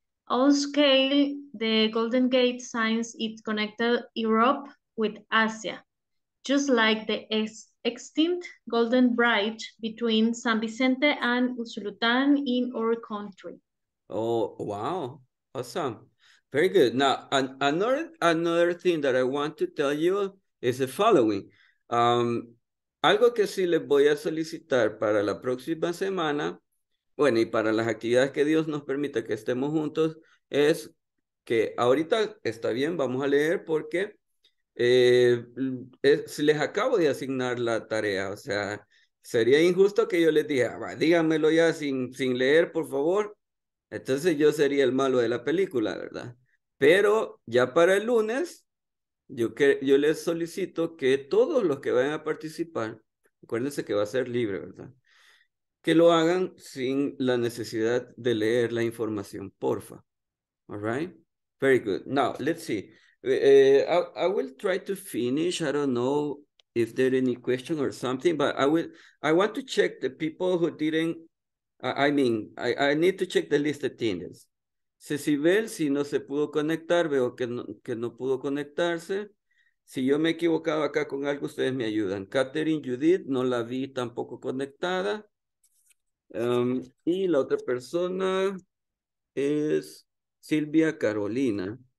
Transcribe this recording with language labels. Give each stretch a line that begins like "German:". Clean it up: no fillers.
English: On scale, the Golden Gate signs it connected Europe with Asia, just like the extinct Golden Bridge between San Vicente and Usulután in our country. Oh, wow. Awesome. Very good. Now, another thing that I want to tell you is the following.
Spanish: Algo que sí les voy a solicitar para la próxima semana, bueno, y para las actividades que Dios nos permita que estemos juntos, es que ahorita está bien, vamos a leer porque les acabo de asignar la tarea. O sea, sería injusto que yo les dijera, díganmelo ya sin leer, por favor. Entonces yo sería el malo de la película, ¿verdad? Pero ya para el lunes, yo les solicito que todos los que vayan a participar, acuérdense que va a ser libre, ¿verdad? Que lo hagan sin la necesidad de leer la información, porfa.
English: All right? Very good. Now, let's see. I will try to finish. I don't know if there are any questions or something, but I want to check the people who didn't, I need to check the list of attendees.
Spanish: Cecibel, si no se pudo conectar, veo que no pudo conectarse. Si yo me he equivocado acá con algo, ustedes me ayudan. Catherine, Judith, no la vi tampoco conectada. Y la otra persona es Silvia Carolina.